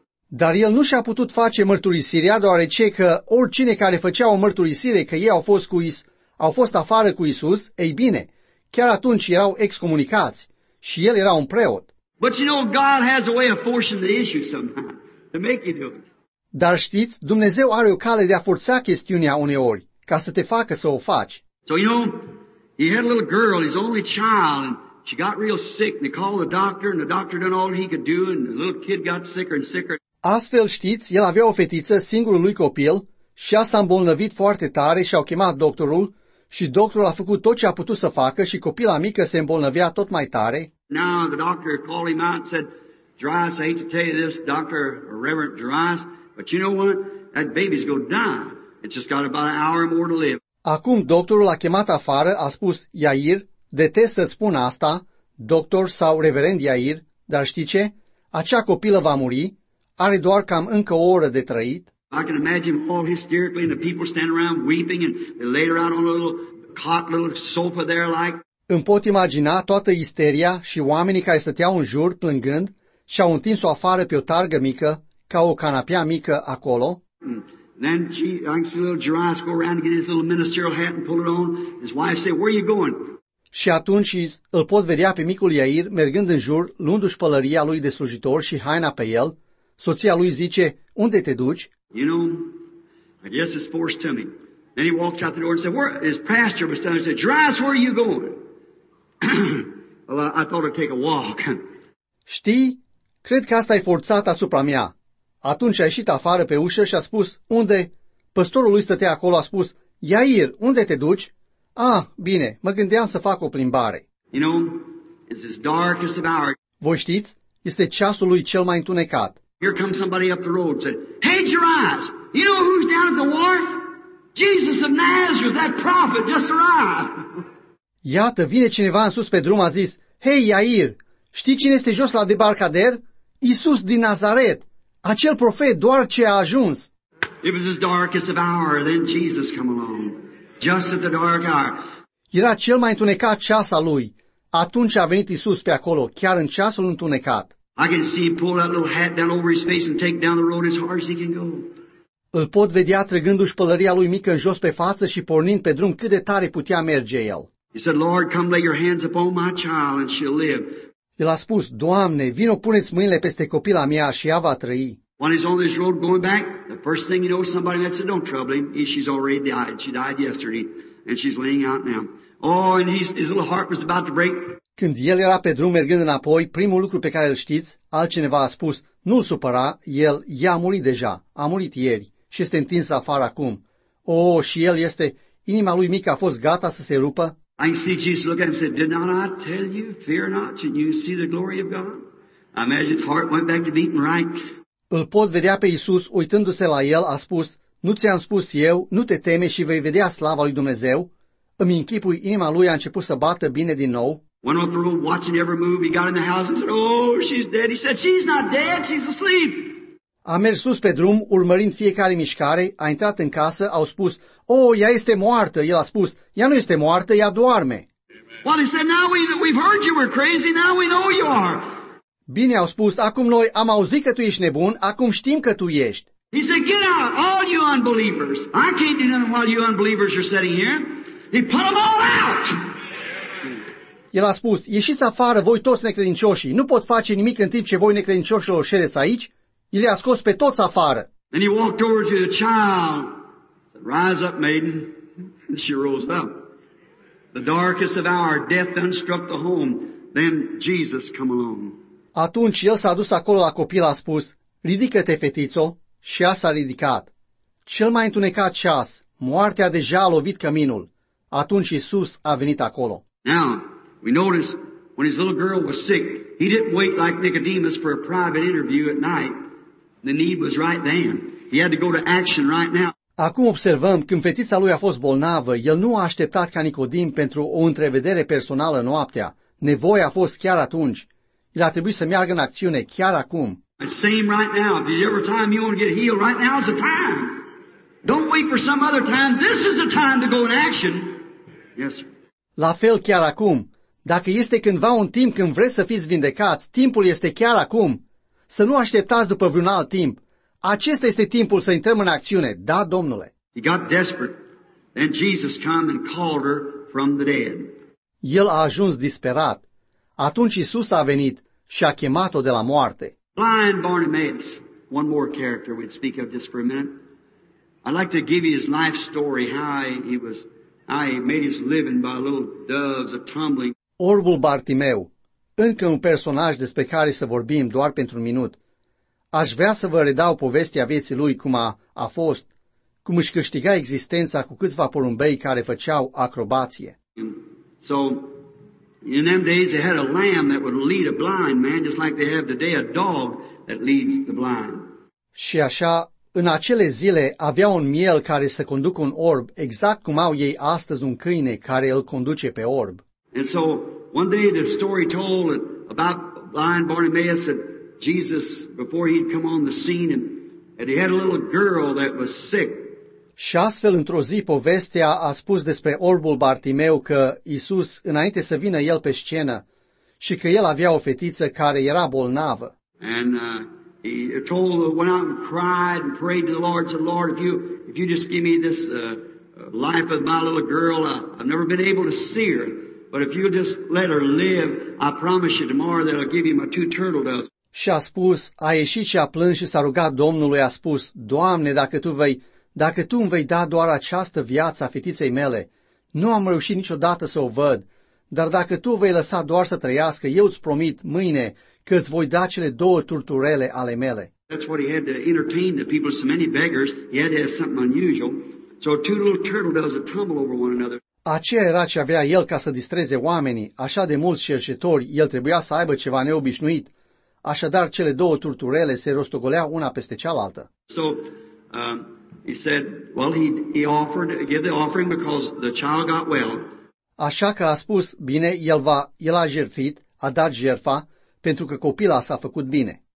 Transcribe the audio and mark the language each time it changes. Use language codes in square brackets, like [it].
[ro] Dar el nu și-a putut face mărturisirea deoarece că oricine care făcea o mărturisire că ei au fost afară cu Isus, ei bine, chiar atunci erau excomunicați și el era un preot. [en] But you know, God has a way of forcing the issue somehow to make you do it. [ro] Dar știți, Dumnezeu are o cale de a forța chestiunea uneori, ca să te facă să o faci. [en] So you know, he had a little girl, his only child, and she got real sick, and they called the doctor, and the doctor done all he could do, and the little kid got sicker and sicker. [ro] Astfel, știți, el avea o fetiță, singurul lui copil, și ea s-a îmbolnăvit foarte tare și au chemat doctorul, și doctorul a făcut tot ce a putut să facă și copila mică se îmbolnăvea tot mai tare. [en] Now, the doctor called him out and said, Jairus, I hate to tell you this, doctor, Reverend Jairus, but you know what? That baby's gonna die. It's just got about an hour more to live. [ro] Acum doctorul l-a chemat afară, a spus, Iair, detest să-ți spun asta, doctor sau reverend Iair, dar știi ce? Acea copilă va muri, are doar cam încă o oră de trăit. [en] I can imagine all hysterically and the people standing around weeping and they laid her out on a little cot, little sofa there like. [ro] Îmi pot imagina toată isteria și oamenii care stăteau în jur plângând și au întins-o afară pe o targă mică, ca o canapea mică acolo. [en] Then I can see little Jairus go around and get his little ministerial hat and pull it on. His wife said, where are you going? [ro] Și atunci îl pot vedea pe micul Iair mergând în jur, luându-și pălăria lui de slujitor și haina pe el. Soția lui zice, unde te duci? [en] You know, I guess it's forced to me. Then he walked out the door and said, where is pastor? But he said, Jairus, where are you going? Well, I thought I'd take a walk. [ro] Știi, cred că asta e forțat asupra mea. Atunci a ieșit afară pe ușă și a spus, unde? Păstorul lui stătea acolo, a spus, Iair, unde te duci? Ah, bine, mă gândeam să fac o plimbare. [en] You know, it's as dark as the hour. [ro] Voi știți, este ceasul lui cel mai întunecat. [en] Here comes somebody up the road and said, hey, Jairus, you know who's down at the wharf? Jesus of Nazareth, that prophet just arrived. [ro] Iată, vine cineva în sus pe drum, a zis, hei, Iair, știi cine este jos la debarcader? Iisus din Nazaret. Acel profet doar ce a ajuns. [en] It was as dark as the hour, then Jesus came along, just at the dark hour. [ro] Era cel mai întunecat ceas al lui. Atunci a venit Iisus pe acolo, chiar în ceasul întunecat. [en] I can see him pull that little hat down over his face and take down the road as far as he can go. [ro] Îl pot vedea trăgându-și pălăria lui mică în jos pe față și pornind pe drum cât de tare putea merge el. [en] He said, Lord, come lay your hands upon my child and she'll live. [ro] El a spus, Doamne, vino puneți mâinile peste copila mea și ea va trăi. [en] When he's on this road going back, the first thing you know, somebody that said, don't trouble him, she's already died. She died yesterday and she's laying out now. Oh, and his little heart was about to break. [ro] Când el era pe drum mergând înapoi, primul lucru pe care îl știți, altcineva a spus, nu-l supăra, ea a murit deja, a murit ieri și este întins afară acum. Oh, și el este, inima lui mică a fost gata să se rupă. [en] I see Jesus look at him and said, did not I tell you, fear not, and you see the glory of God? I imagine his heart went back to beating right. [ro] Îl pot vedea pe Iisus uitându-se la el, a spus, nu ți-am spus eu, nu te teme și vei vedea slava lui Dumnezeu. Îmi închipui, inima lui a început să bată bine din nou. [en] Went off the road watching every move, he got in the house and said, oh, she's dead. He said, she's not dead, she's asleep. [ro] A mers sus pe drum, urmărind fiecare mișcare, a intrat în casă, au spus, oh, ea este moartă, el a spus, ea nu este moartă, ea doarme. [en] Well, he said, now we've heard you were crazy, now we know you are. [ro] Bine, au spus, acum noi am auzit că tu ești nebun, acum știm că tu ești. [en] He said, get out, all you unbelievers. I can't do nothing while you unbelievers are sitting here. He put them all out. [ro] El a spus, ieșiți afară voi toți necredincioșii. Nu pot face nimic în timp ce voi necredincioșilor ședeți aici. El i-a scos pe toți afară. [en] And he walked over to the child. Said, rise up, maiden. And she rose up. The darkest of our death then struck the home. Then Jesus come along. [ro] Atunci el s-a dus acolo la copil, a spus, ridică-te, fetițo, și ea s-a ridicat. Cel mai întunecat ceas, moartea deja a lovit căminul. Atunci Iisus a venit acolo. [en] Now, we notice when his little girl was sick, he didn't wait like Nicodemus for a private interview at night. The need was right then. He had to go to action right now. [ro] Acum observăm, când fetița lui a fost bolnavă, el nu a așteptat ca Nicodim pentru o întrevedere personală noaptea. Nevoia a fost chiar atunci. El a trebuit să meargă în acțiune chiar acum. [en] It's same right now. If you ever time you want to get healed, right now is the time. Don't wait for some other time. This is the time to go in action. Yes, sir. [ro] La fel chiar acum. Dacă este cândva un timp când vreți să fiți vindecați, timpul este chiar acum. Să nu așteptați după vreun alt timp. Acesta este timpul să intrăm în acțiune. Da, Domnule. [en] He got desperate. Then Jesus came and called her from the dead. [ro] El a ajuns disperat. Atunci Iisus a venit și a chemat-o de la moarte. [en] Blind Bartimaeus, one more character we'd speak of just for a minute. I'd like to give you his life story, how he made his living by little doves of tumbling. [ro] Orbul Bartimeu, încă un personaj despre care să vorbim doar pentru un minut. Aș vrea să vă redau povestea vieții lui, cum a fost, cum își câștiga existența cu câțiva porumbei care făceau acrobație. [en] So, in them days they had a lamb that would lead a blind man, just like they have today a dog that leads the blind. [ro] Și așa, în acele zile avea un miel care să conducă un orb, exact cum au ei astăzi un câine care îl conduce pe orb. [en] And so, one day the story told about blind Bartimaeus that Jesus, before he'd come on the scene, and he had a little girl that was sick. [ro] Și astfel, într-o zi, povestea a spus despre orbul Bartimeu că Iisus, înainte să vină el pe scenă, și că el avea o fetiță care era bolnavă. [en] And he told her, went out and cried and prayed to the Lord, said, Lord, if you just give me this life of my little girl, I've never been able to see her, but if you just let her live, I promise you tomorrow that I'll give you my two turtle doves. [ro] Și a spus, a ieșit și a plâns și s-a rugat Domnului, a spus, Doamne, dacă tu îmi vei da doar această viață a fetiței mele, nu am reușit niciodată să o văd, dar dacă tu vei lăsa doar să trăiască, eu îți promit mâine că îți voi da cele două turturele ale mele. [en] That's what he had to entertain the people, so many beggars, he had to have something unusual. So two little turtle doves that tumble over one another. [ro] Aceea era ce avea el ca să distreze oamenii, așa de mulți cerșetori, el trebuia să aibă ceva neobișnuit. Așadar, cele două turturele se rostogoleau una peste cealaltă. [en] So, he said, well, he offered to give the offering because the child got well. [ro] Așa că a spus, bine, el a jertfit, a dat jertfa, pentru că copila s-a făcut bine.